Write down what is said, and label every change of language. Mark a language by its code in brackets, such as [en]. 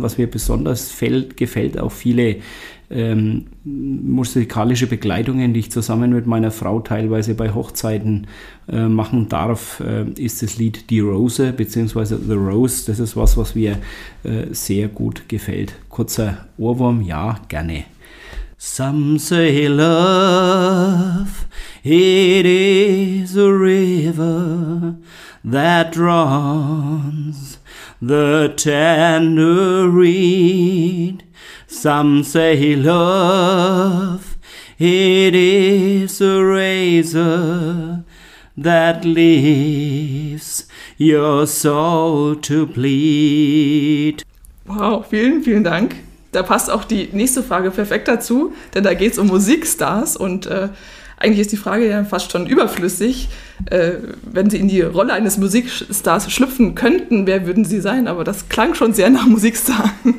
[de] Was mir besonders gefällt, auch viele musikalische Begleitungen, die ich zusammen mit meiner Frau teilweise bei Hochzeiten machen darf, ist das Lied Die Rose bzw. The Rose. Das ist was, was mir sehr gut gefällt. Kurzer Ohrwurm, ja, gerne. [en] Some say love, it is a river that drowns the tender reed. Some say love, it is a razor that leaves your soul to bleed. [de] Wow, vielen, vielen Dank. Da passt auch die nächste Frage perfekt dazu, denn da geht es um Musikstars. Und eigentlich ist die Frage ja fast schon überflüssig. Wenn Sie in die Rolle eines Musikstars schlüpfen könnten, wer würden Sie sein? Aber das klang schon sehr nach Musikstar.